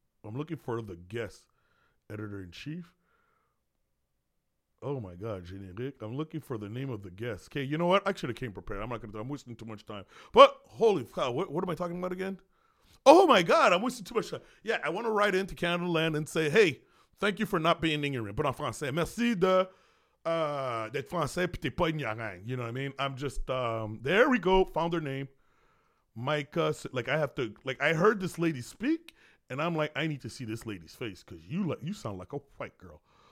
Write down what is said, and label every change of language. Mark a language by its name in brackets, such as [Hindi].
[English] I'm looking for the guest editor-in-chief. Oh my God, générique. I'm looking for the name of the guest. Okay, you know what? I should have came prepared. I'm not going to do it. I'm wasting too much time. But holy cow, what am I talking about again? Oh my God, I'm wasting too much time. Yeah, I want to write into Canada Land and say, hey, thank you for not being ignorant, but [French] en français. Merci de d'être français, puis t'es pas ignorant. [English] You know what I mean? I'm just, there we go. Found her name. Micah, like I have to, like I heard this lady speak, and I'm like, I need to see this lady's face because you sound like a white girl.